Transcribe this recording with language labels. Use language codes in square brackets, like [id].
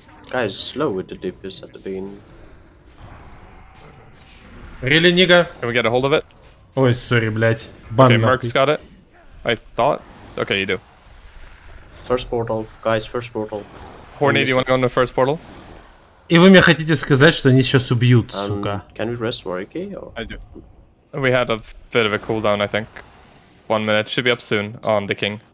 [en] Guys, slow with the DPS at the beginning. Really, nigga? Can we get a hold of it? [ru] Ой, сори, блядь. Бан, [en] okay, Merc's got it. I thought. It's okay, you do. First portal, guys, first portal. Horny, do you want to go in the first portal? [ru] И вы мне хотите сказать, что они сейчас убьют, сука. [en] Can we rest for AK or? I do. We had a bit of a cooldown, I think. 1 minute, should be up soon on the king.